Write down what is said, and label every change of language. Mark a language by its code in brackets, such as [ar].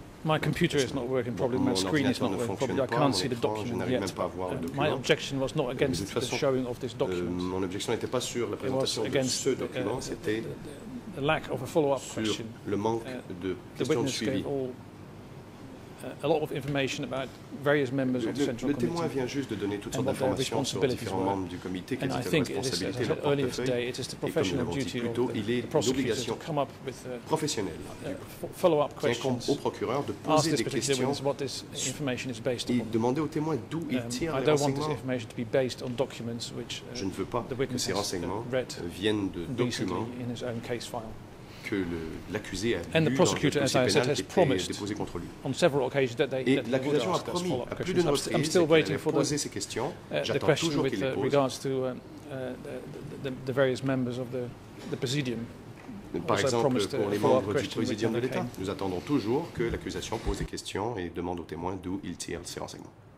[en] My computer is not working properly, my screen is not working properly, I can't see the document yet. My objection was not against the showing of this document. It was against the lack of a follow-up question. The witness gave all a lot of information about various members of the Central Committee. [fr] Le témoin vient juste de donner toutes sortes d'informations sur différents membres du comité, [en] and I think it is, as I said earlier today, it is the professional duty of the prosecutor to come up with follow-up questions, [fr] au procureur de poser [en] ask this [fr] des questions, [en] witness what this information is based on. [fr] Demander au témoin d'où il tire [en] I don't want this information to be based on documents which the witness has read recently in his own case file. [fr] Que l'accusé a [en] and the prosecutor, as I said, has promised on several occasions that they would ask follow-up questions. I'm still waiting for the question with regards to the various members of the presidium. [fr] Par exemple, pour les membres du presidium de l'État, nous attendons toujours que l'accusation pose des questions et demande aux témoins d'où ils tirent ces renseignements.